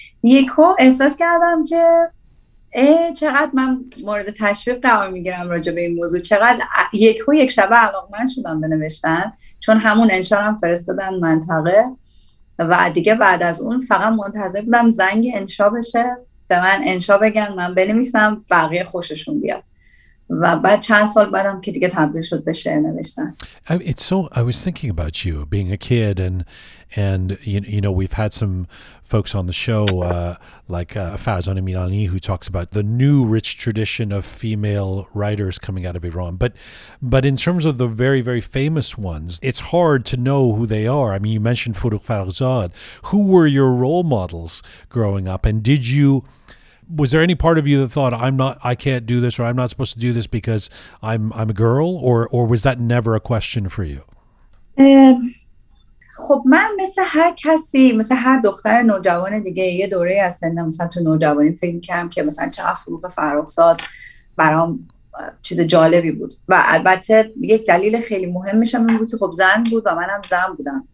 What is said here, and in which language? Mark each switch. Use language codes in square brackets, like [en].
[fa] یکو احساس کردم که چقدر من مورد تشویق قرار میگیرم راجع به این موضوع، چقدر یکو یک شبه علاقمند شدم به نوشتن، چون همون انشا رو هم فرستادن منطقه و دیگه بعد از اون فقط منتظر بودم زنگ انشا بشه، من انشا بگن، من بنویسم، بقیه خوششون بیاد. و بعد چند سال بعدم که دیگه تبدیل شد به شعر نوشتن. [en] I was thinking about you being a kid and you know, we've had some folks on the show like Fazan Emirani, who talks about the new rich tradition of female writers coming out of Iran. But in terms of the very, very famous ones, it's hard to know who they are. I mean, you mentioned Furukh Farrokhzad. Who were your role models growing up? And was there any part of you that thought, I can't do this, or I'm not supposed to do this because I'm a girl? Or was that never a question for you? [fa] خب من مثل هر کسی، مثل هر دختر نوجوان دیگه، یه دوره از سنم مثلا تو نوجوانی فکر کردم که مثلا چه فروغ فرخزاد برام چیز جالبی بود. و البته یک دلیل خیلی مهمش هم این بود که خب زن بود و منم زن بودم.